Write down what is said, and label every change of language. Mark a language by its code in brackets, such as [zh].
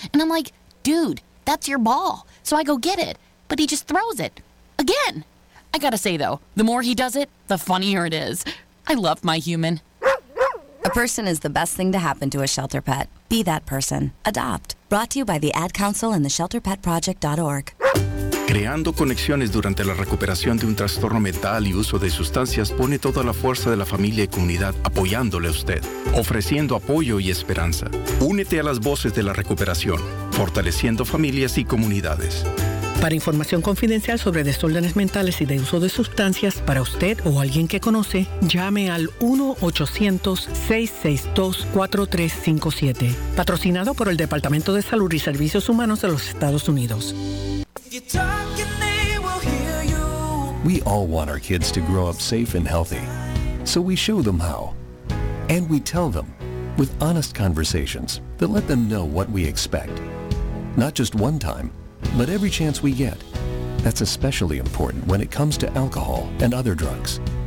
[en] And I'm like, dude, that's your ball. So I go get it, but he just throws it again. I gotta say, though, the more he does it, the funnier it is. I love my human. A person is the best thing to happen to a shelter pet. Be that person. Adopt. Brought to you by the Ad Council and the ShelterPetProject.org. [es] Creando conexiones durante la recuperación de un trastorno mental y uso de sustancias pone toda la fuerza de la familia y comunidad apoyándole a usted, ofreciendo apoyo y esperanza. Únete a las voces de la recuperación, fortaleciendo familias y comunidades. Para información confidencial sobre desórdenes mentales y de uso de sustancias para usted o alguien que conoce, llame al 1-800-662-4357. Patrocinado por el Departamento de Salud y Servicios Humanos de los Estados Unidos. [en] We all want our kids to grow up safe and healthy. So we show them how. And we tell them with honest conversations that let them know what we expect. Not just one time, but every chance we get. That's especially important when it comes to alcohol and other drugs.